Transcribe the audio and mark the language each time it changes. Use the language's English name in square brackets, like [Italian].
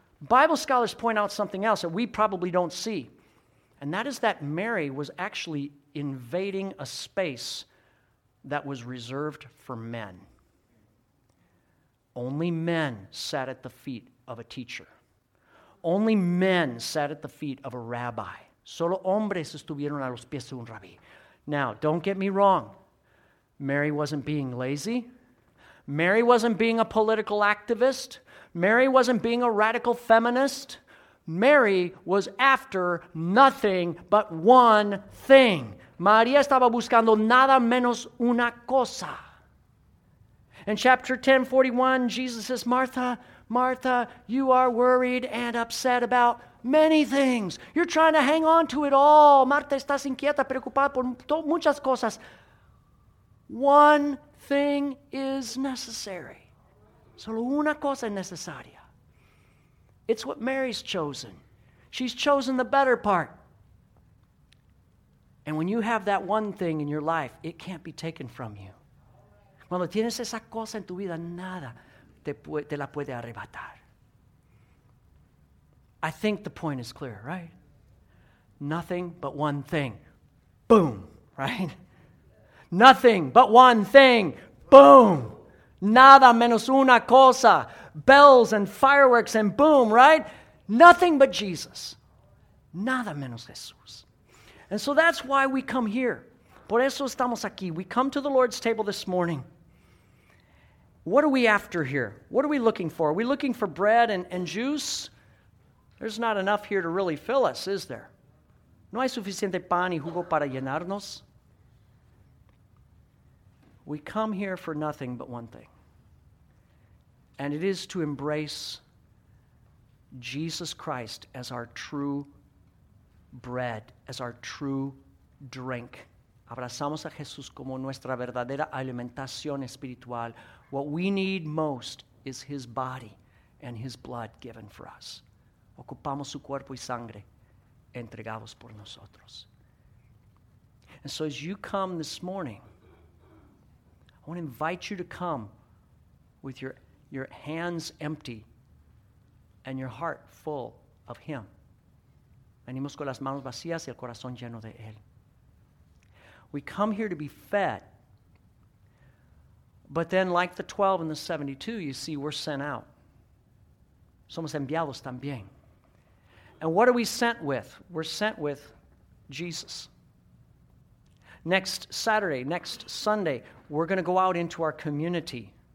[English] Bible scholars point out something else that we probably don't see, and that is that Mary was actually invading a space that was reserved for men. Only men sat at the feet of a teacher. Only men sat at the feet of a rabbi. [Spanish] Solo hombres estuvieron a los pies de un rabí. [English] Now, don't get me wrong. Mary wasn't being lazy. Mary wasn't being a political activist. Mary wasn't being a radical feminist. Mary was after nothing but one thing. [Spanish] María estaba buscando nada menos una cosa. [English] In chapter 10:41, Jesus says, Martha, Martha, you are worried and upset about many things. You're trying to hang on to it all. [Spanish] Marta, estás inquieta, preocupada por muchas cosas. [English] One thing is necessary. [Spanish] Solo una cosa es necesaria. [English] It's what Mary's chosen. She's chosen the better part. And when you have that one thing in your life, it can't be taken from you. [Spanish] Cuando tienes esa cosa en tu vida, nada te la puede arrebatar. [English] I think the point is clear, right? Nothing but one thing. Boom, right? Nothing but one thing. Boom. [Spanish] Nada menos una cosa. [English] Bells and fireworks and boom, right? Nothing but Jesus. [Spanish] Nada menos Jesús. [English] And so that's why we come here. [Spanish] Por eso estamos aquí. [English] We come to the Lord's table this morning. What are we after here? What are we looking for? Are we looking for bread and juice? There's not enough here to really fill us, is there? [Spanish] No hay suficiente pan y jugo para llenarnos. [English] We come here for nothing but one thing. And it is to embrace Jesus Christ as our true bread, as our true drink. [Spanish] Abrazamos a Jesús como nuestra verdadera alimentación espiritual. [English] What we need most is his body and his blood given for us. [Spanish] Ocupamos su cuerpo y sangre entregados por nosotros. [English] And so as you come this morning, I want to invite you to come with your hands empty and your heart full of him. [Spanish] Venimos con las manos vacías y el corazón lleno de él. [English] We come here to be fed. But then, like the 12 and the 72, you see, we're sent out. [Spanish] Somos enviados también. [English] And what are we sent with? We're sent with Jesus. Next Saturday, next Sunday, we're going to go out into our community.